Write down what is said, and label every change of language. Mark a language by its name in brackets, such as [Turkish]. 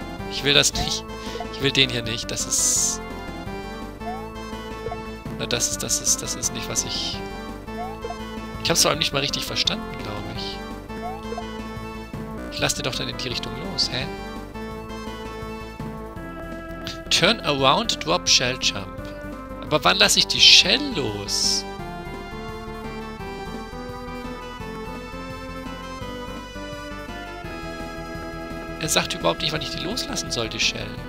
[German] Ich will das nicht. Ich will den hier nicht. Das ist... Das ist nicht, was ich... Ich hab's vor allem nicht mal richtig verstanden, glaube ich. Ich lasse dir doch dann in die Richtung los, hä? [English] Turn around, drop shell jump. [German] Aber wann lasse ich die Shell los? Er sagt überhaupt nicht, wann ich die loslassen soll, die Shell.